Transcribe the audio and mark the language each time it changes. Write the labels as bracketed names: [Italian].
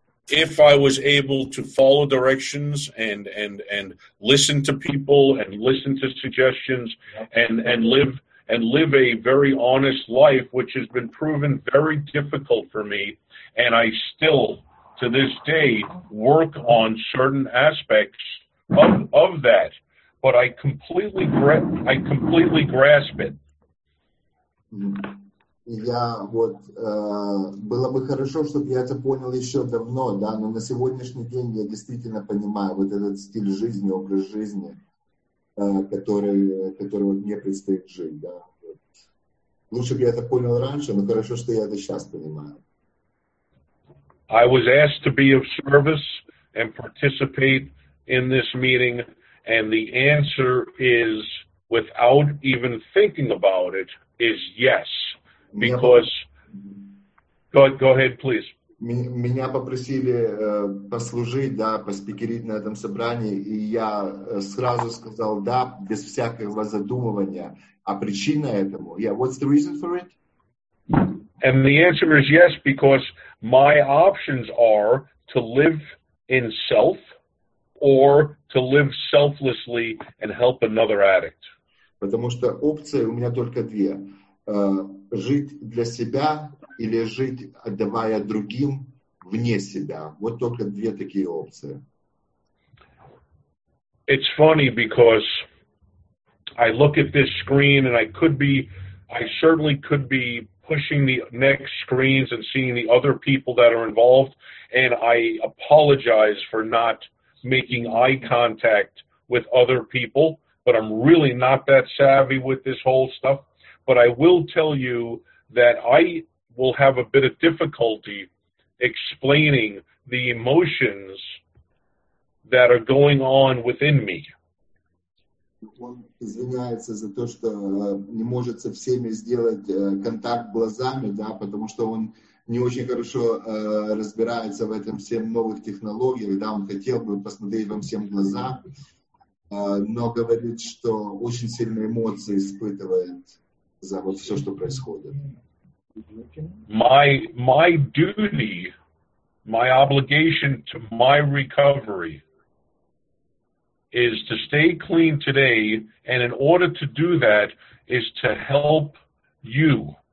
[English] If I was able to follow directions and listen to people and listen to suggestions and live a very honest life, which has been proven very difficult for me, and I still, to this day, work on certain aspects of that, but I completely grasp it. [Russian] Я вот было бы хорошо, чтобы я это понял еще давно, да, но на сегодняшний день я действительно понимаю вот этот стиль жизни, образ жизни, который вот мне предстоит жить, да. Вот. Лучше бы я это понял раньше, но хорошо, что я это сейчас понимаю. [English] I was asked to be of service and participate in this meeting, and the answer is without even thinking about it is yes. Because go ahead, please. [Russian] Меня попросили послужить, да, поспикерить на этом собрании, и я сразу сказал да, без всякого задумывания. А причина этому? [English] Yeah, what's the reason for it? And the answer is yes, because my options are to live in self or to live selflessly and help another addict. [Russian] Потому что опции у меня только две. Жить для себя или жить, отдавая другим вне себя. Вот только две такие опции. [English] It's funny because I look at this screen and I certainly could be pushing the next screens and seeing the other people that are involved, and I apologize for not making eye contact with other people, but I'm really not that savvy with this whole stuff. But I will tell you that I will have a bit of difficulty explaining the emotions that are going on within me. [Russian] Он извиняется за то, что не может со всеми сделать контакт глазами, да, потому что он не очень хорошо разбирается в этом всем новых технологиях, да, он хотел бы посмотреть вам всем в глаза, но говорит, что очень сильные эмоции испытывает за вот все, что происходит. [English] My duty, my obligation to my recovery is to stay clean today, and in order to do that is to help you.